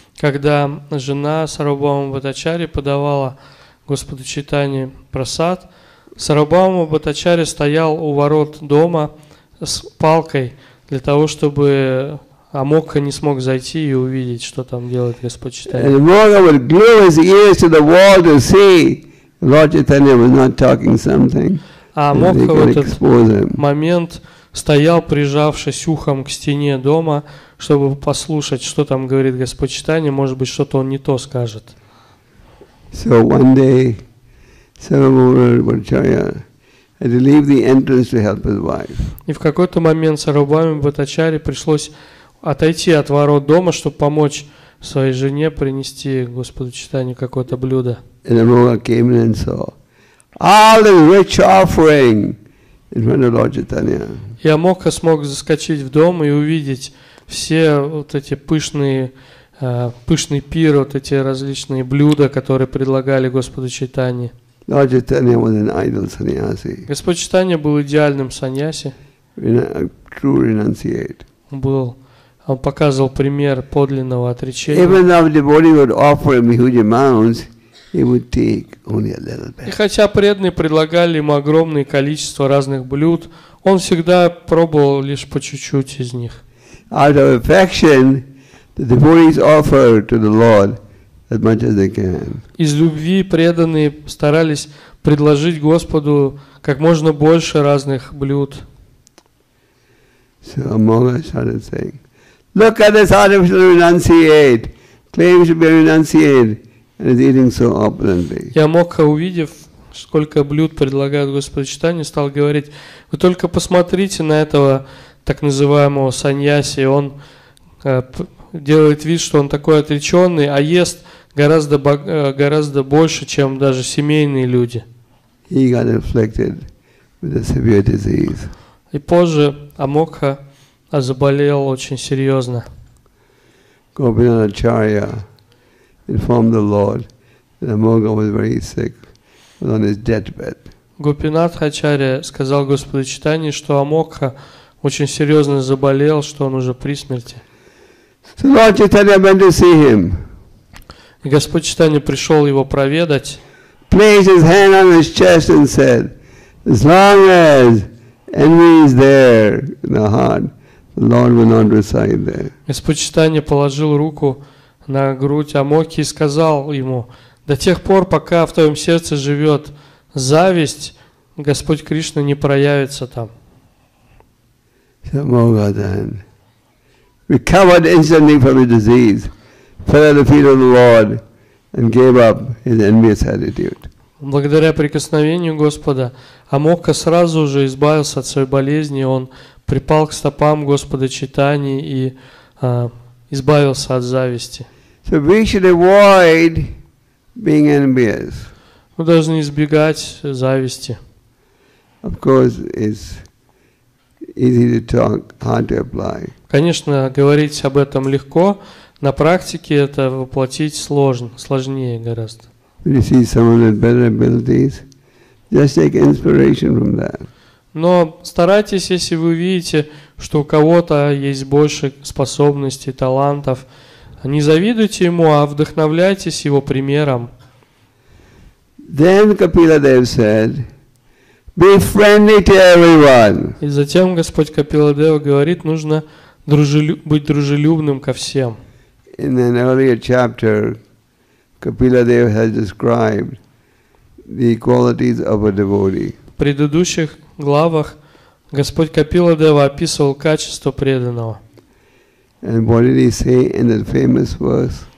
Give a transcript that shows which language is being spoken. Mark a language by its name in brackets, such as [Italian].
[Russian] Когда жена Сарвабхаума Бхаттачарьи подавала Господу Чайтанье прасад, Сарвабхаума Бхаттачарья стоял у ворот дома с палкой для того, чтобы Амока не смог зайти и увидеть, что там делает Господь Чайтанья. [English] And Amoka would glue his ears to the wall to see Lord Chaitanya was not talking something. [Russian] А Амока в этот момент стоял, прижавшись ухом к стене дома, чтобы послушать, что там говорит Господь Чайтанья, может быть, что-то он не то скажет. [English] So one day, Сарвабхаума had to leave the entrance to help his wife. [Russian] И в какой-то момент Сарвабхаума Бхаттачарья пришлось отойти от ворот дома, чтобы помочь своей жене принести Господу Чайтанье какое-то блюдо. [English] And Amoka came in and saw all the rich offering in front of Lord Chaitanya. [Russian] И Амока смог заскочить в дом и увидеть все вот эти пышный пир, вот эти различные блюда, которые предлагали Господу Чайтанье. [English] Lord Chaitanya was an ideal sannyasi. [Russian] Господь Чайтанья был идеальным саньяси. [English] True renunciate. [Russian] Был. Он показывал пример подлинного отречения. [English] Amounts, [Russian] и хотя преданные предлагали ему огромное количество разных блюд, он всегда пробовал лишь по чуть-чуть из них. [English] Out of affection, the devotees offer to the Lord as much as they can. [Russian] Из любви преданные старались предложить Господу как можно больше разных блюд. [English] So Amoka started saying, look at this artificial renunciate. Claims to be a renunciate and is eating so opulently. [Russian] Я мог, увидев, сколько блюд предлагает Господь Чайтанья, стал говорить: вы только посмотрите на этого так называемого саньяси. Он делает вид, что он такой отреченный, а ест гораздо больше, чем даже семейные люди. [English] He got afflicted with a severe disease. [Russian] И позже Амока заболел очень серьезно. [English] Gopinathacharya informed the Lord that Amoka was very sick, was on his deathbed. [Russian] Гопинатхачарья сказал Господу Чайтанье, что Амока очень серьезно заболел, что он уже при смерти. [English] So Lord Chaitanya went to see him. [Russian] И Господь Чайтанья пришел его проведать. [English] Placed his hand on his chest and said, as long as envy is there in the heart, Lord will not reside there. [Russian] Господь Чайтанья положил руку на грудь Амоки и сказал ему: до тех пор, пока в твоем сердце живет зависть, Господь Кришна не проявится там. [English] Амока then recovered instantly from his disease, fell at the feet of the Lord, and gave up his envious attitude. [Russian] Благодаря прикосновению Господа Амока сразу же избавился от своей болезни. Он припал к стопам Господа Чайтаньи и избавился от зависти. [English] So we should avoid being envious. [Russian] Мы должны избегать зависти. [English] Of course, it's easy to talk, hard to apply. [Russian] Конечно, говорить об этом легко, на практике это воплотить сложнее гораздо. [English] When you see some of the better abilities, just take inspiration from that. [Russian] Но старайтесь, если вы видите, что у кого-то есть больше способностей, талантов, не завидуйте ему, а вдохновляйтесь его примером. [English] Then Kapila Dev said, "Be friendly to everyone." [Russian] И затем Господь Капила Дев говорит, нужно быть дружелюбным ко всем. [English] In an earlier chapter, Kapila Dev has described the qualities of a devotee. [Russian] В предыдущих главах Господь Капила Дев описывал качество преданного. [English] And what did he say in that famous verse?